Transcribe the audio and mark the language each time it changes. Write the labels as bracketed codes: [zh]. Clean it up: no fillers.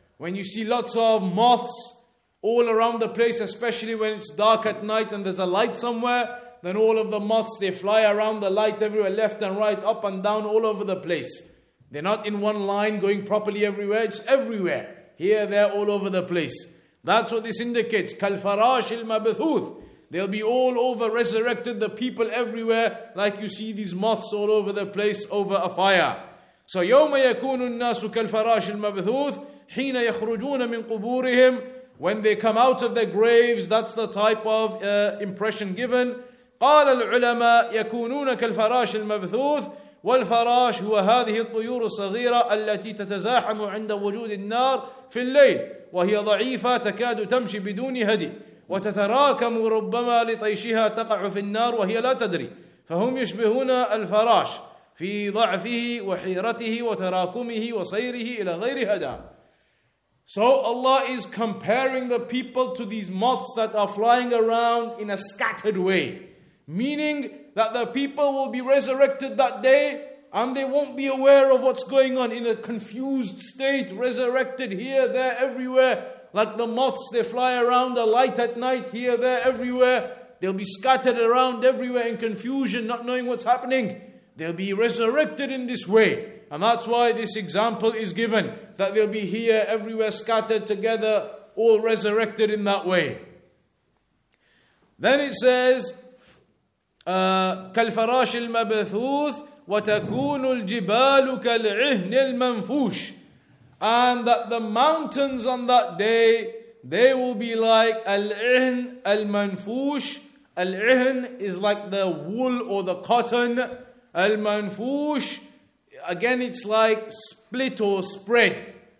[en] When you see lots of moths all around the place, especially when it's dark at night and there's a light somewhere, then all of the moths, they fly around the light everywhere, left and right, up and down, all over the place. They're not in one line going properly everywhere, it's everywhere. Here, there, all over the place. That's what this indicates. [ar] كالفراش المبثوث. [en] They'll be all over, resurrected, the people everywhere, like you see these moths all over the place, over a fire. [ar] So, يوم يكون الناس كالفراش المبثوث حين يخرجون من قبورهم. [en] When they come out of their graves, that's the type of impression given. [ar] قال العلماء يكونون كالفراش المبثوث والفراش هو هذه الطيور الصغيرة التي تتزاحم عند وجود النار في الليل وهي ضعيفة تكاد تمشي بدون هدي وتتراكم ربما لطيشها تقع في النار وهي لا تدري فهم يشبهون الفراش في ضعفه وحيرته وتراكمه وصيره إلى غير هدى. [en] So Allah is comparing the people to these moths that are flying around in a scattered way. Meaning that the people will be resurrected that day and they won't be aware of what's going on, in a confused state, resurrected here, there, everywhere. Like the moths, they fly around the light at night, here, there, everywhere. They'll be scattered around everywhere in confusion, not knowing what's happening. They'll be resurrected in this way. And that's why this example is given, that they'll be here, everywhere, scattered together, all resurrected in that way. Then it says, [ar] كَالْفَرَاشِ الْمَبَثُوثِ وَتَكُونُ الْجِبَالُ كَالْعِهْنِ الْمَنْفُوشِ. [en] And that the mountains on that day, they will be like al-ihn al-manfush. Al-ihn is like the wool or the cotton. Al-manfush, again, it's like split or spread.